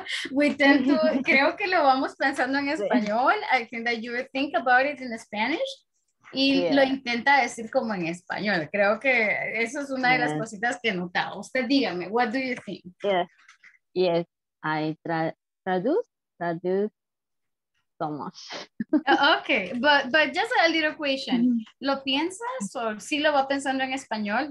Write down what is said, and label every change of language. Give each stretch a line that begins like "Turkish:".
English: We tend to,
Spanish: creo que lo vamos pensando en español.
English: I think that you think about it in Spanish.
Spanish: Y yeah. Lo intenta decir como en español. Creo que eso es una de las cositas que he notado. Usted dígame,
English: what do you think? Yes, I traduce so much. Okay, but just a little question.
Spanish: ¿Lo piensas o sí lo va pensando en español?